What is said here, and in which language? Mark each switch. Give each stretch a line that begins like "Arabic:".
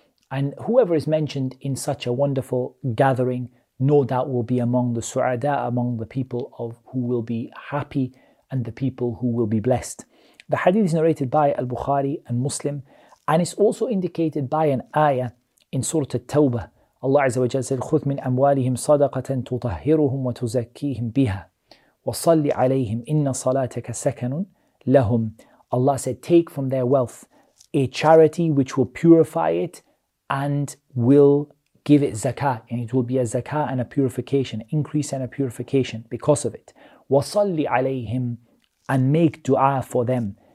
English: And whoever is mentioned in such a wonderful gathering, no doubt will be among the su'ada, among the people of who will be happy and the people who will be blessed. The hadith is narrated by Al-Bukhari and Muslim, and it's also indicated by an ayah in Surah At-Tawbah.
Arabic: Allah Azza wa Jalla said, خُذْ مِنْ أَمْوَالِهِمْ صَدَقَةً تُطَهِّرُهُمْ وَتُزَكِّيهِمْ بِهَا وَصَلِّ عَلَيْهِمْ إِنَّ صَلَاتَكَ سَكَنٌ لَهُمْ.
English: Allah said, take from their wealth a charity which will purify it and will give it zakah, and it will be a zakah and a purification, increase and a purification because of it.
Arabic: وَصَلِّ عَلَيْهِمْ,
English: and make dua for them.